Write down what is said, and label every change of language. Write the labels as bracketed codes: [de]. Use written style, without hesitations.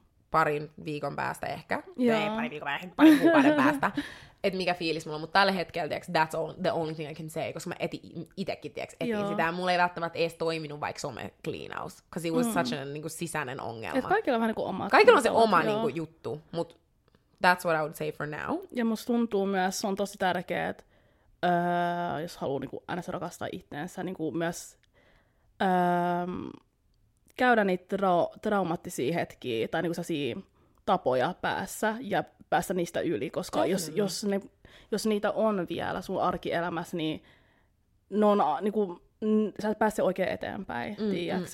[fi] Parin viikon päästä ehkä. Ei, parin viikon päästä, parin kuukauden päästä. Et mikä fiilis mulla on. Mutta tällä hetkellä, tiiäks, [en] that's all, the only thing I can say. [fi] Koska mä itekin, tiiäks, etin sitä. Mulla ei välttämättä edes toiminut vaikka [en] some clean house. Because it was such a [fi] niinku, sisäinen ongelma. Et kaikilla on vähän niinku omat. Kaikilla on se oma niinku, juttu. Mut [en] that's what I would say for now. [fi] Ja musta tuntuu myös, se on tosi tärkeä, että jos haluaa niinku, aina se rakastaa itseänsä, niinku myös... käydä niitä traumaattisia hetkiä tai niinku sellaisia tapoja päässä ja päästä niistä yli, koska jos niitä on vielä sun arkielämässä, niin on, niinku, sä et pääse oikein eteenpäin, tiiäks?